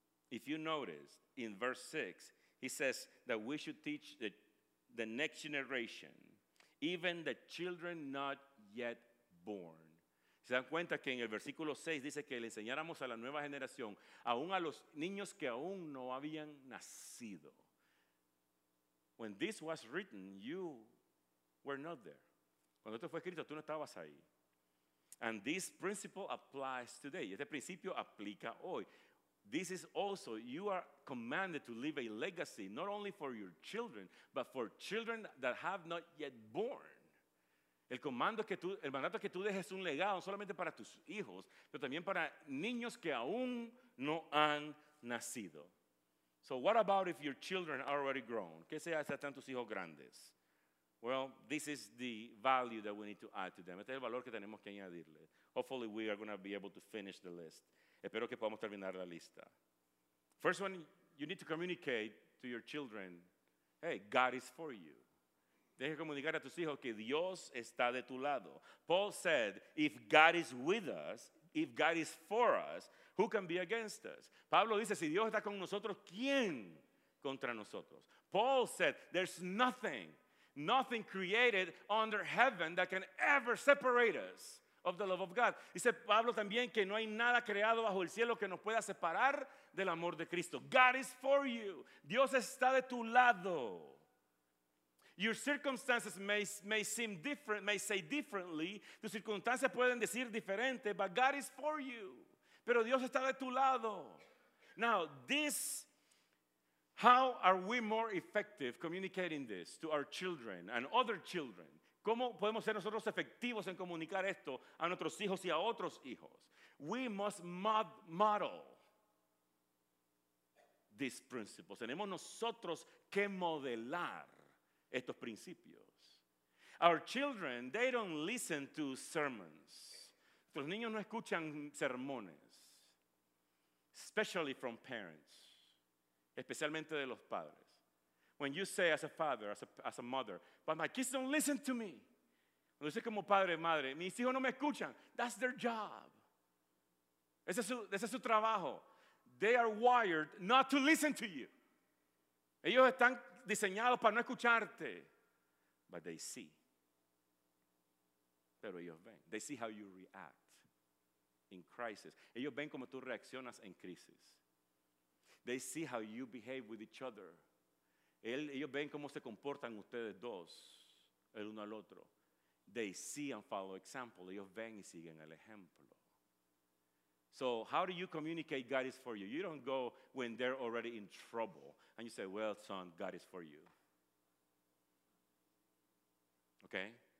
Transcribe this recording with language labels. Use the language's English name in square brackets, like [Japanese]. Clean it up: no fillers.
[English] If you notice, in verse 6, he says that we should teach the next generation, even the children not yet born. [Spanish] ¿Se dan cuenta que en el versículo 6 dice que le enseñáramos a la nueva generación, aún a los niños que aún no habían nacido? [English] When this was written, you were not there. [Spanish] Cuando esto fue escrito, tú no estabas ahí. [English] And this principle applies today. [Spanish] Este principio aplica hoy. [English] This is also, you are commanded to leave a legacy, not only for your children, but for children that have not yet born. [Spanish] El mandato es que tú dejes un legado, no solamente para tus hijos, pero también para niños que aún no han nacido. [English] So what about if your children are already grown? [Spanish] ¿Qué sea si están tus hijos grandes? [English] Well, this is the value that we need to add to them. [Spanish] Este es el valor que tenemos que añadirle. [English] Hopefully we are going to be able to finish the list. [Spanish] Espero que podamos terminar la lista. [English] First one, you need to communicate to your children, hey, God is for you. [Spanish] Deje comunicar a tus hijos que Dios está de tu lado. [English] Paul said, if God is with us, if God is for us, who can be against us? [Spanish] Pablo dice, si Dios está con nosotros, ¿quién contra nosotros? [English] Paul said, there's nothing created under heaven that can ever separate us of the love of God. [Spanish] Dice Pablo también que no hay nada creado bajo el cielo que nos pueda separar del amor de Cristo. [English] God is for you. [Spanish] Dios está de tu lado. [English] Your circumstances may seem different, may say differently. [Spanish] Tus circunstancias pueden decir diferente, [English] but God is for you. [Spanish] Pero Dios está de tu lado. [English] Now, this, how are we more effective communicating this to our children and other children? [Spanish] ¿Cómo podemos ser nosotros efectivos en comunicar esto a nuestros hijos y a otros hijos? [English] We must model these principles. [Spanish] Tenemos nosotros que modelar estos principios. [English] Our children, they don't listen to sermons. [Spanish] Nuestros niños no escuchan sermones. [English] Especially from parents. [Spanish] Especialmente de los padres. [English] When you say as a father, as a mother, but my kids don't listen to me. [Spanish] Cuando dices como padre, madre, mis hijos no me escuchan. [English] That's their job. [Spanish] Ese es su trabajo. [English] They are wired not to listen to you. [Spanish] Ellos están diseñados para no escucharte. [English] But they see. [Spanish] Pero ellos ven. [English] They see how you react in crisis. [Spanish] Ellos ven cómo tú reaccionas en crisis. [English] They see how you behave with each other. [Spanish] Ellos ven cómo se comportan ustedes dos, el uno al otro. [English] They see and follow example. [Spanish] Ellos ven y siguen el ejemplo. [English] So how do you communicate God is for you? You don't go when they're already in trouble and you say, well, son, God is for you. Okay?